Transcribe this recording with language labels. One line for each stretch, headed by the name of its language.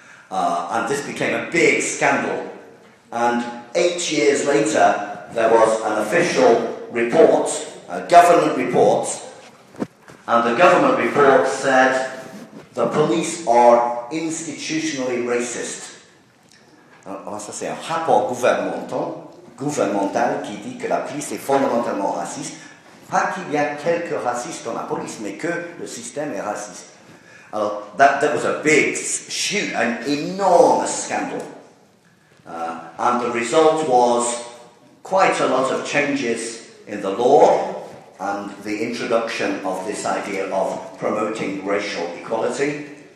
English: And this became a big scandal. And 8 years later, there was an official report, a government report, and the government report said, the police are institutionally racist.
French: On va dire un rapport gouvernemental qui dit que la police est fondamentalement raciste. Pas qu'il y a quelques racistes dans la police, mais que le système est raciste. Alors,
English: that was a big, huge, an enormous scandal. And the result was quite a lot of changes in the law and the introduction of this idea of promoting racial equality.